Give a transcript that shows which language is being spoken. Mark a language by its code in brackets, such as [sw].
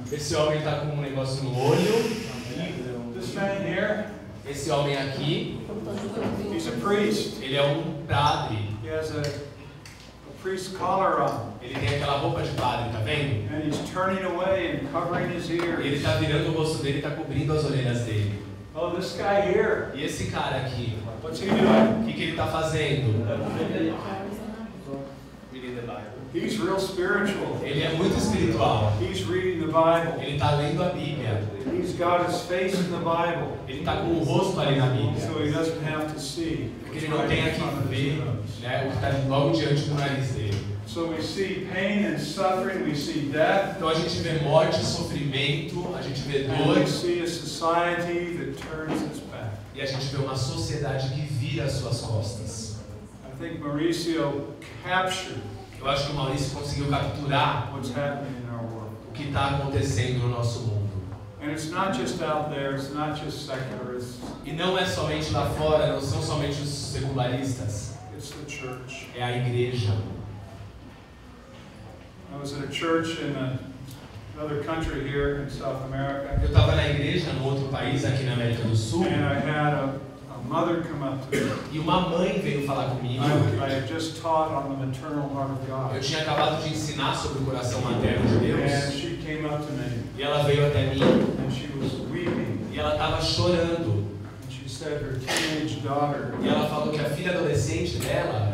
[pt] Esse homem está com um negócio no olho. [en] This man here. [pt] Esse homem aqui. [en] He's a priest. [pt] Ele é um padre. [en] He has a priest collar on. [pt] Ele tem aquela roupa de padre, tá vendo? [en] And he's turning away and covering his ears. [pt] Ele está virando o rosto dele e está cobrindo as orelhas dele. [en] Oh, this guy here. [pt] E esse cara aqui. [en] What's he doing? [pt] Que ele está fazendo? [en] He's real spiritual. [pt] Ele é muito espiritual. [en] He's reading the Bible. [pt] Ele está lendo a Bíblia. [en] He's got his face in the Bible. [pt] Ele está com o rosto ali na Bíblia. [en] So he doesn't have to see. [pt] Porque ele não tem aqui para ver, né, o que está logo diante do nariz dele. [en] So we see pain and suffering. We see death. [pt] Então a gente vê morte, sofrimento, a gente vê dor. [en] And we see a society that turns its back. [pt] E a gente vê uma sociedade que vira as suas costas. [en] I think Mauricio captured. [pt] Eu acho que o Maurício conseguiu capturar o que está acontecendo no nosso mundo. E não é somente lá fora, não são somente os secularistas. É a igreja. Eu estava na igreja em outro país aqui na América do Sul. [en] Mother come up to me. [pt] E uma mãe veio falar comigo. [en] I had just taught on the maternal heart of God. [pt] Eu tinha acabado de ensinar sobre o coração materno de Deus. [en] And she came up to me. [pt] E ela veio até mim. [en] And she was weeping. [pt] E ela estava chorando. [en] And she said her teenage daughter. [pt] E ela falou que a filha adolescente dela